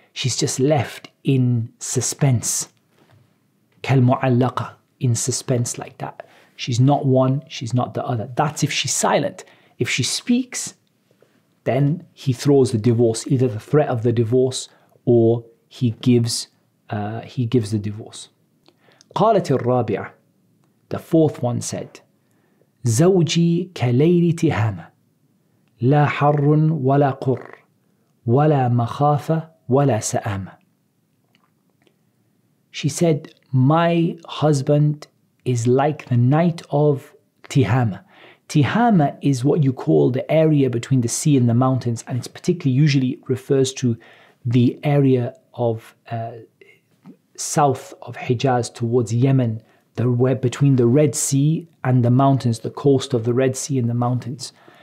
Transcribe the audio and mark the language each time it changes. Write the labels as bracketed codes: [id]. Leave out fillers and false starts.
[en] She's just left in suspense. كالمعلقة, in suspense like that. She's not one, she's not the other. That's if she's silent. If she speaks, then he throws the divorce, either the threat of the divorce or he gives the divorce. [ar] قالت الرابعة, [en] the fourth one said, [ar] زوجي كليل تهامة لا حر ولا قر ولا مخافة ولا سآمة. [en] She said, my husband is like the night of Tihama. Tihama is what you call the area between the sea and the mountains, and it's particularly usually refers to the area of south of Hijaz towards Yemen, the where between the Red Sea and the mountains, the coast of the Red Sea and the mountains.